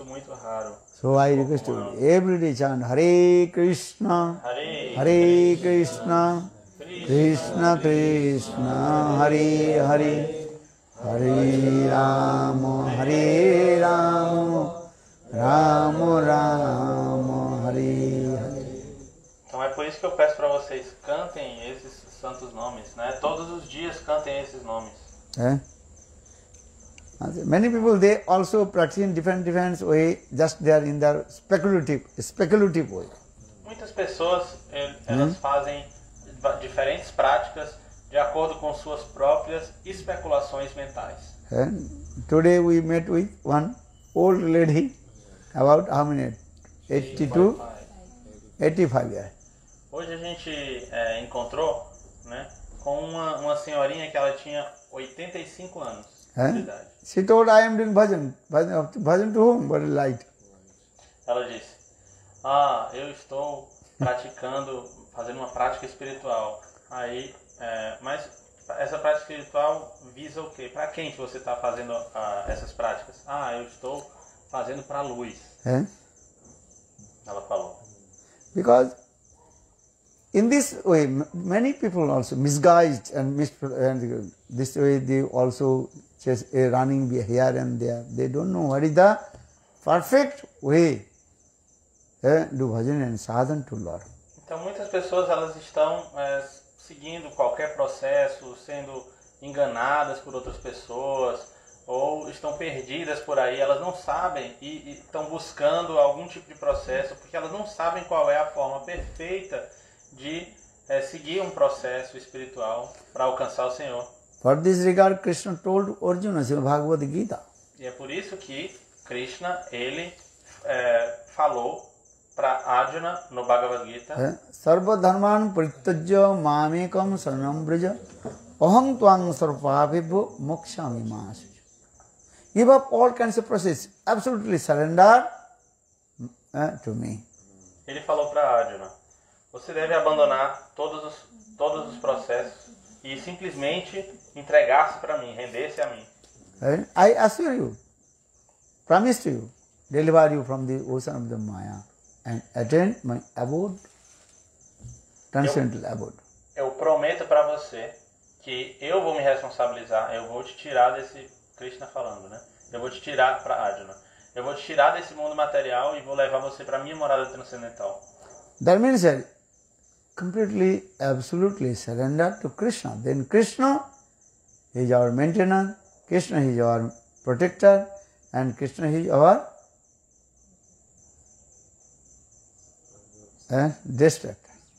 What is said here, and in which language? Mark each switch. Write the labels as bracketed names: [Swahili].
[Portuguese] esse corpo é muito, muito raro. [English] So I request you, every day chant Hare Krishna, [Sanskrit] Hare, Hare Krishna, Krishna, Krishna, Krishna, Krishna, Krishna, Krishna, Krishna, Krishna, Krishna, Hare Hare. Hari Ram, Hari Ram, Ram Ram, Hari Hari. [Portuguese] Então é por isso que eu peço para vocês cantem esses santos nomes, né? Todos os dias cantem esses nomes. É. [English] Many people they also practice in different way, just they are in their speculative way. [Portuguese] Muitas pessoas elas fazem diferentes práticas de acordo com suas próprias especulações mentais. [English] And today we met with one old lady about how many? 82? 85 years. [Portuguese] Hoje a gente encontrou, né, com uma senhorinha que ela tinha 85 anos. [English] She told, I am doing bhajan to whom? What a light. [Portuguese] Ela disse, ah, eu estou praticando, fazendo uma prática espiritual. Aí, mas essa prática espiritual visa o quê? Para quem que você está fazendo essas práticas? Ah, eu estou fazendo para a luz. É? Ela falou. [English] Because in this way, many people also misguised and this way they also just a running here and there. They don't know what is the perfect way do bhajan and sadhan to Lord. [Portuguese] Então muitas pessoas elas estão seguindo qualquer processo, sendo enganadas por outras pessoas, ou estão perdidas por aí, elas não sabem e estão buscando algum tipo de processo, porque elas não sabem qual é a forma perfeita de seguir um processo espiritual para alcançar o Senhor. [English] For this regard, Krishna told Arjuna, Srimad Bhagavad Gita. [Portuguese] E é por isso que Krishna, ele falou para Arjuna no Bhagavad Gita. [Sanskrit] Sarva dharman prityajya mamekam saranam braja aham tvam sarvapapebhyo mokshami ma asij. [English] Give up all kinds of process, absolutely surrender to me. [Portuguese] Ele falou para Arjuna, você deve abandonar todos os processos e simplesmente entregar-se para mim, render-se a mim. [English] I assure you, promise to you, deliver you from the ocean of the Maya and attain my abode, transcendental abode. [Portuguese] Eu prometo para você que eu vou me responsabilizar, eu vou te tirar desse, Krishna falando, né? Eu vou te tirar para Arjuna. Eu vou te tirar desse mundo material e vou levar você para minha morada transcendental. [English] That means that completely, absolutely surrender to Krishna. Then Krishna, he is our maintainer, Krishna, he is our protector, and Krishna, he is our destructor.